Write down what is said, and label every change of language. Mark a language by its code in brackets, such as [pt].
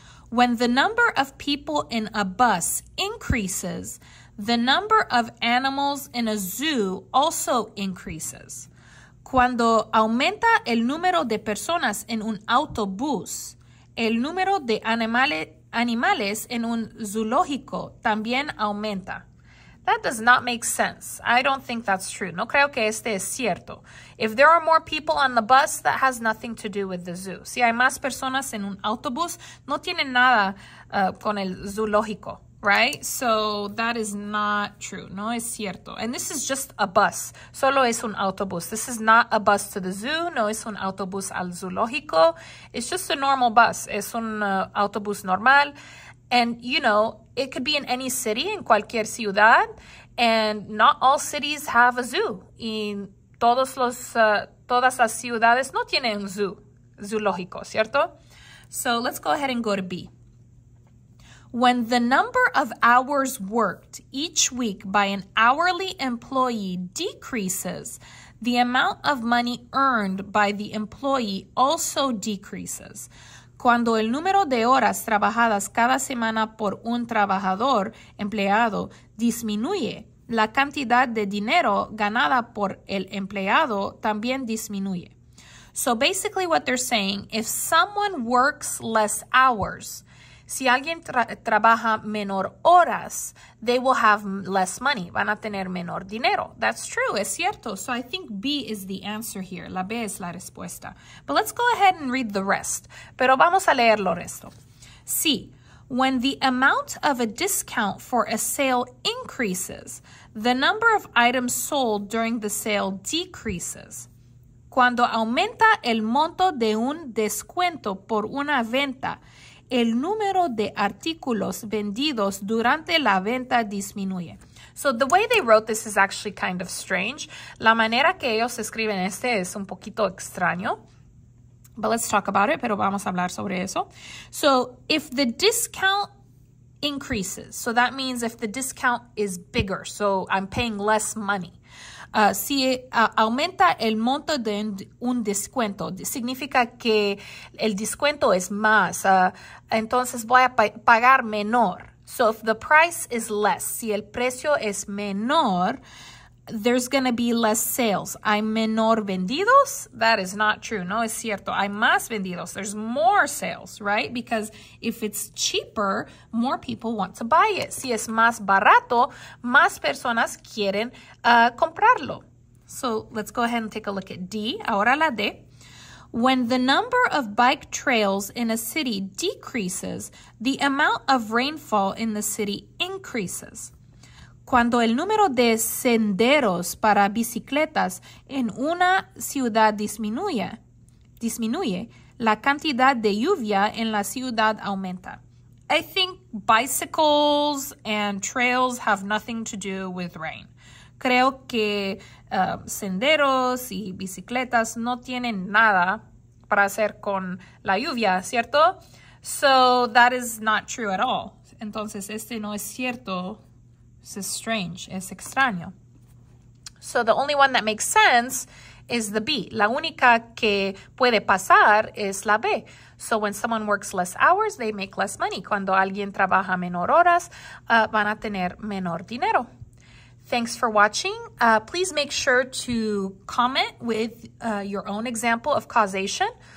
[en] When the number of people in a bus increases, the number of animals in a zoo also increases. [es] Cuando aumenta el número de personas en un autobús, el número de animales en un zoológico también aumenta. [en] That does not make sense. I don't think that's true. [es] No creo que este es cierto. [en] If there are more people on the bus, that has nothing to do with the zoo. [es] Si hay más personas en un autobús, no tiene nada con el zoológico, [en] right? So that is not true. [es] No es cierto. [en] And this is just a bus. [es] Solo es un autobús. [en] This is not a bus to the zoo. [es] No es un autobús al zoológico. [en] It's just a normal bus. [es] Es un autobús normal. [en] And, you know, it could be in any city, [es] en cualquier ciudad. [en] And not all cities have a zoo. [es] Y todas las ciudades no tienen un zoológico, ¿cierto? [en] So let's go ahead and go to B. When the number of hours worked each week by an hourly employee decreases, the amount of money earned by the employee also decreases. [es] Cuando el número de horas trabajadas cada semana por un trabajador empleado disminuye, la cantidad de dinero ganada por el empleado también disminuye. [en] So basically what they're saying, if someone works less hours, [es] si alguien trabaja menor horas, [en] they will have less money. [es] Van a tener menor dinero. [en] That's true. [es] Es cierto. [en] So I think B is the answer here. [es] La B es la respuesta. [en] But let's go ahead and read the rest. [es] Pero vamos a leer lo resto. Sí. [en] When the amount of a discount for a sale increases, the number of items sold during the sale decreases. [es] Cuando aumenta el monto de un descuento por una venta, el número de artículos vendidos durante la venta disminuye. [en] So the way they wrote this is actually kind of strange. [es] La manera que ellos escriben este es un poquito extraño. [en] But let's talk about it, [es] pero vamos a hablar sobre eso. [en] So if the discount increases, so that means if the discount is bigger, so I'm paying less money. [es] Si aumenta el monto de un descuento, significa que el descuento es más, entonces voy a pagar menor. [en] So if the price is less, [es] si el precio es menor, [en] there's going to be less sales. [es] ¿Hay menor vendidos? [en] That is not true. [es] No, es cierto. Hay más vendidos. [en] There's more sales, right? Because if it's cheaper, more people want to buy it. [es] Si es más barato, más personas quieren comprarlo. [en] So let's go ahead and take a look at D. [es] Ahora la D. [en] When the number of bike trails in a city decreases, the amount of rainfall in the city increases. [es] Cuando el número de senderos para bicicletas en una ciudad disminuye, la cantidad de lluvia en la ciudad aumenta. [en] I think bicycles and trails have nothing to do with rain. [es] Creo que senderos y bicicletas no tienen nada para hacer con la lluvia, ¿cierto? [en] So that is not true at all. [es] Entonces, este no es cierto. [en] This is strange. [es] Es extraño. [en] So the only one that makes sense is the B. [es] La única que puede pasar es la B. [en] So when someone works less hours, they make less money. [es] Cuando alguien trabaja menor horas, van a tener menor dinero. [en] Thanks for watching. Please make sure to comment with your own example of causation.